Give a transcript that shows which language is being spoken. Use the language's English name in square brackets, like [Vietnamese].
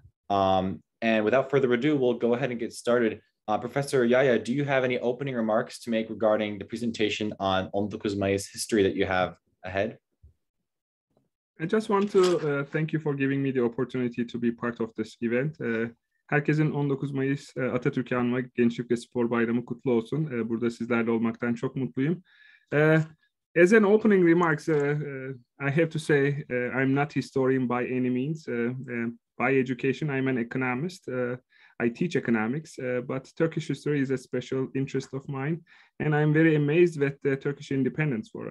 [English] And without further ado, we'll go ahead and get started. Professor Yaya, do you have any opening remarks to make regarding the presentation on 19 Mayıs history that you have ahead? I just want to thank you for giving me the opportunity to be part of this event. [Turkish] Herkesin 19 Mayıs Atatürk'ü anma gençlik ve spor bayramı kutlu olsun. Burada sizlerle olmaktan çok mutluyum. [English] As an opening remarks, I have to say I'm not historian by any means. By education, I'm an economist. I teach economics, but Turkish history is a special interest of mine. And I'm very amazed with the Turkish independence war.